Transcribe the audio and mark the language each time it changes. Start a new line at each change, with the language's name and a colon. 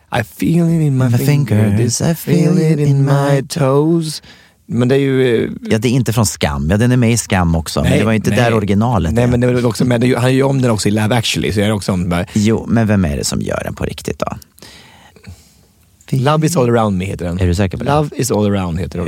English: I feel it in my fingers, I feel it in my toes.
Swedish: Men det är ju... Ja, det är inte från Skam. Ja, den är med i Skam också. Nej, men det var ju inte där originalet. Nej, men det var också med. Han gör om den också i Love Actually. Så är det också om... Jo, men vem är det som gör den på riktigt då? Love is all around me heter den. Är du säker på det? Love is all around heter den.